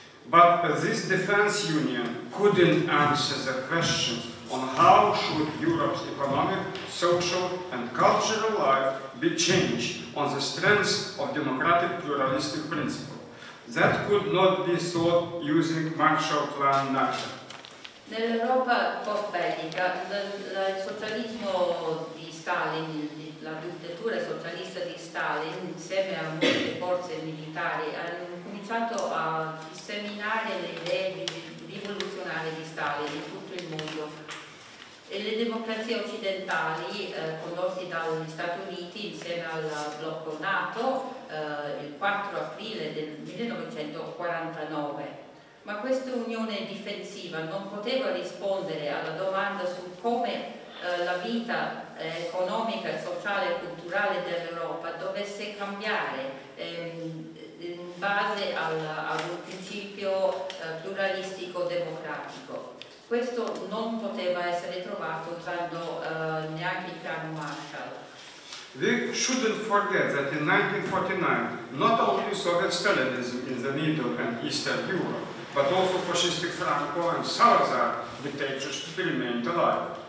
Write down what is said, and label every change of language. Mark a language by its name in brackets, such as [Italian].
[English] But this defense union couldn't answer the questions on how should Europe's economic, social, and cultural life be changed on the strengths of democratic pluralistic principle. That could not be thought using Marshall Plan NATO. [Italian] Nell'Europa post-bellica, il socialismo di Stalin, la dittatura socialista di Stalin, insieme a molte forze militari, hanno cominciato a disseminare le idee rivoluzionarie di Stalin in tutto il mondo. E le democrazie occidentali, condotte dagli Stati Uniti insieme al blocco NATO, il 4 aprile del 1949. Ma questa unione difensiva non poteva rispondere alla domanda su come la vita economica, sociale e culturale dell'Europa dovesse cambiare in base ad un principio pluralistico democratico. Questo non poteva essere trovato usando neanche il piano Marshall. [English] We shouldn't forget that in 1949, not only Soviet Stalinism in the Middle and Eastern Europe, but also fascistic Franco and Salazar dictatorship remained alive.